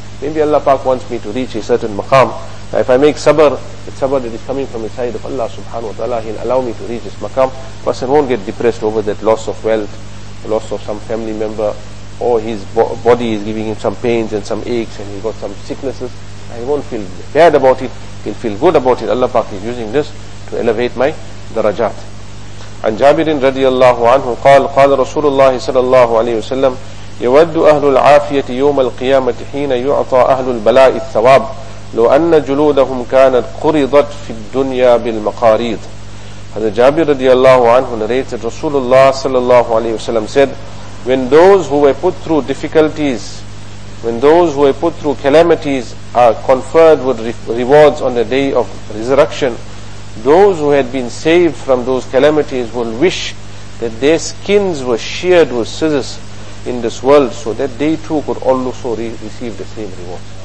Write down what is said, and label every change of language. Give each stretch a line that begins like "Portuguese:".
English: Maybe Allah Pak wants me to reach a certain maqam. Now if I make sabr, the sabr that is coming from the side of Allah subhanahu wa ta'ala, he'll allow me to reach this maqam. Person won't get depressed over that loss of wealth, the loss of some family member, or his body is giving him some pains and some aches, and he got some sicknesses. He won't feel bad about it. He'll feel good about it. Allah Pak is using this to elevate my darajat.
Arabic: An Jabirin radiyallahu anhu qal, qal Rasulullah sallallahu alayhi wa sallam, يود أهل العافية يوم القيامة حين يعطى أهل البلاء الثواب لو أن جلودهم كانت قرضت في الدنيا بالمقاريض. هذا جابر رضي الله عنه
English: narrated رسول الله صلى الله عليه وسلم said, when those who were put through difficulties, when those who were put through calamities are conferred with rewards on the day of resurrection, those who had been saved from those calamities will wish that their skins were sheared with scissors in this world, so that they too could also receive the same rewards.